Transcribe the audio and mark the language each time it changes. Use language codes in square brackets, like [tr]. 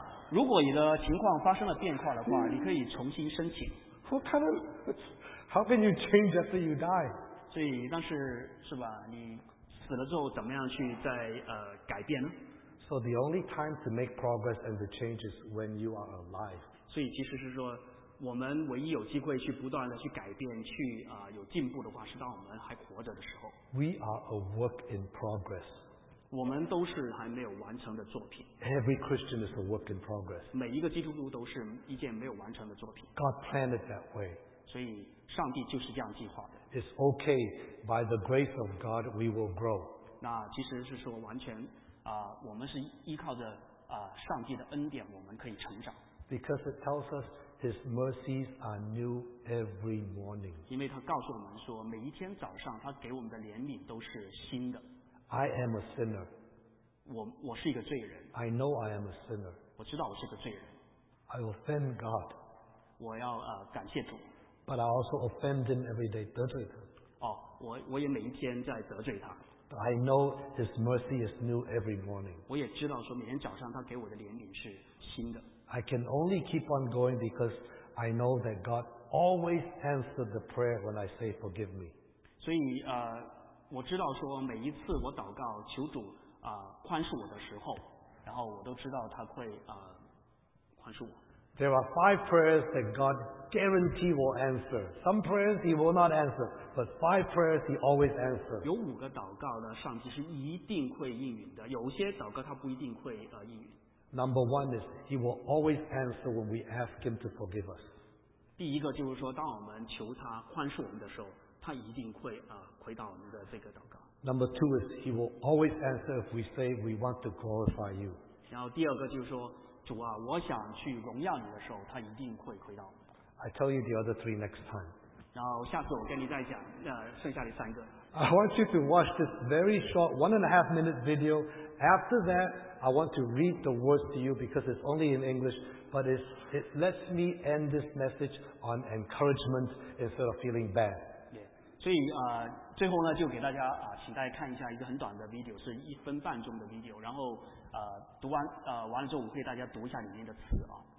[zh] 如果你的情况发生了变化的话，你可以重新申请。 [en] What kind of, how can you change after you die? [zh] 所以，但是是吧？你死了之后怎么样去再改变呢？ [en] So the only time to make progress and to change is when you are alive. [zh] 所以其实是说，我们唯一有机会去不断的去改变，去有进步的话，是当我们还活着的时候。 [en] We are a work in progress. [zh] 我们都是还没有完成的作品。 [en] Every Christian is a work in progress. [zh] 每一个基督徒都是一件没有完成的作品。 [en] God planned it that way. [zh] 所以上帝就是这样计划的。 [en] It's okay. By the grace of God, we will grow. [zh] 那其实是说完全我们是依靠着上帝的恩典，我们可以成长。 [en] Because it tells us His mercies are new every morning. [zh] 因为他告诉我们说，每一天早上他给我们的怜悯都是新的。 [en] I am a sinner. [zh] 我是一个罪人。 [en] I know I am a sinner. [zh] 我知道我是个罪人。 [en] I offend God. [zh] 我要感谢主。 [en] But I also offend Him every day, [zh] 得罪他。我也每一天在得罪他。 [en] But I know His mercy is new every morning. [zh] 我也知道说每天早上他给我的怜悯是新的。 [en] I can only keep on going because I know that God always answers the prayer when I say forgive me. [zh] 所以我知道说每一次我祷告求主宽恕我的时候，然后我都知道他会宽恕我。 [en] There are 5 prayers that God guarantee will answer. Some prayers He will not answer, but 5 prayers He always answers. [zh] 有5个祷告呢，上帝是一定会应允的。有些祷告他不一定会应允。 [en] Number one is He will always answer when we ask Him to forgive us. [zh] 第一个就是说，当我们求他宽恕我们的时候，他一定会回答我们的这个祷告。 [en] Number two is He will always answer if we say we want to glorify You. [zh] 然后第二个就是说，主啊，我想去荣耀你的时候，他一定会回答我们。 [en] I tell you the other 3 next time. [zh] 然后下次我跟你再讲剩下的三个。 [en] I want you to watch this very short 1.5 minute video. After that, I want to read the words to you because it's only in English, but it lets me end this message on encouragement instead of feeling bad. Yeah. [zh] 所以最后呢，就给大家请大家看一下一个很短的 video， 是一分半钟的 video。然后读完完了之后，我会大家读一下里面的词啊。